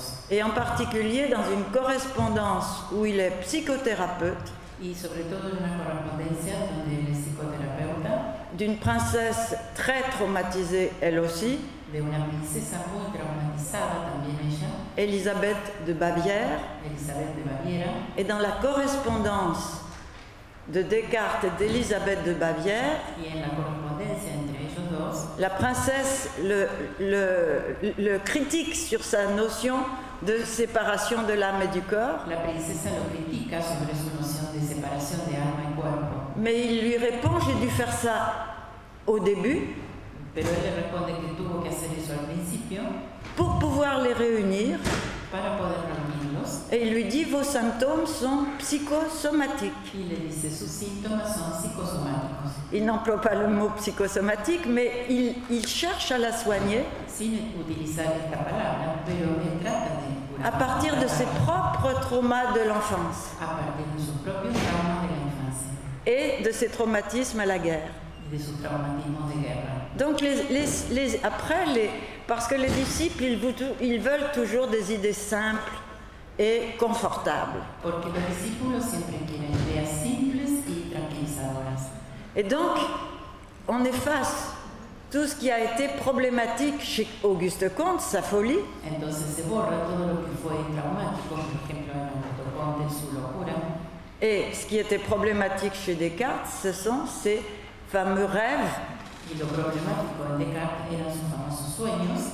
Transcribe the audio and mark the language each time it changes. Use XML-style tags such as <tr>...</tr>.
<fr>Et en particulier dans une correspondance où il est psychothérapeute,</fr> <es>y sobre todo en una correspondencia donde él es psicoterapeuta,</es> <fr>d'une princesse très traumatisée elle aussi,</fr> <es>de una princesa muy traumatizada también ella,</es> <fr>Elisabeth de Bavière,</fr> <es>Elisabeth de Baviera,</es> <fr>et dans la correspondance de Descartes et d'Elisabeth de Bavière,</fr> <es>y en la correspondencia entre ellos dos,</es> <fr>la princesse le critique sur sa notion de séparation de l'âme et du corps.</fr> <es>La princesa lo critica sobre su noción de separación de alma y cuerpo.</es> <fr>Mais il lui répond, j'ai dû faire ça au début.</fr> <es>Pero él le responde que tuvo que hacer eso al principio.</es> <fr>Pour pouvoir les réunir.</fr> <es>Para poder reunirlos.</es> <fr>Et il lui dit, vos symptômes sont psychosomatiques.</fr> <es>Y le dice, sus síntomas son psicosomáticos.</es> <fr>Il n'emploie pas le mot psychosomatique, mais il cherche à la soigner.</fr> <es>Sin utilizar esta palabra, pero él trata de curar.</es> <fr>À partir de ses propres traumas de l'enfance.</fr> <es>A partir de sus propios traumas de la infancia.</es> <fr>Et de ses traumatismes à la guerre.</fr> <es>Y de sus traumatismos de guerra.</es> <fr>Donc parce que les disciples, ils veulent toujours des idées simples et confortables.</fr> <es>Porque los discípulos siempre quieren ideas simples y tranquilizadoras.</es> <fr>Et donc, on efface tout ce qui a été problématique chez Auguste Comte, sa folie.</fr> <es>Entonces se borra todo lo que fue traumático, por ejemplo, en Auguste Comte, su locura.</es> <fr>Et ce qui était problématique chez Descartes, ce sont ces fameux rêves.</fr> <es>Y lo problemático en Descartes eran sus famosos sueños.</es>